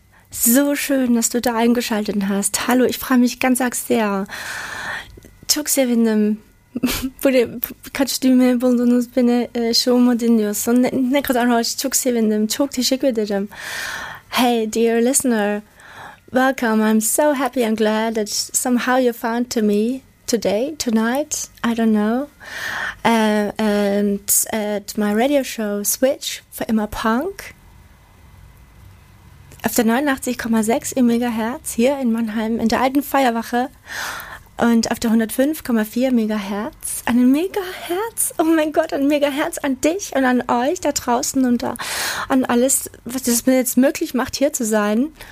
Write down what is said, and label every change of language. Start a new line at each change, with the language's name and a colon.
German: So schön, dass du da eingeschaltet hast, hallo, ich freue mich ganz arg sehr.
Turkish: Çok sevindim, kaç düğme buldunuz beni, şovumu dinliyorsun, ne kadar hoş, çok sevindim, çok teşekkür ederim.
English: Hey, dear listener. Welcome. I'm so happy and glad that somehow you found to me today, tonight, I don't know, and at my radio show Switch for Immer Punk,
German: auf der 89,6 im Megahertz hier in Mannheim in der alten Feuerwache und auf der 105,4 Megahertz, an den Megahertz, oh mein Gott, an Megahertz, an dich und an euch da draußen und an alles, was es mir jetzt möglich macht, hier zu sein.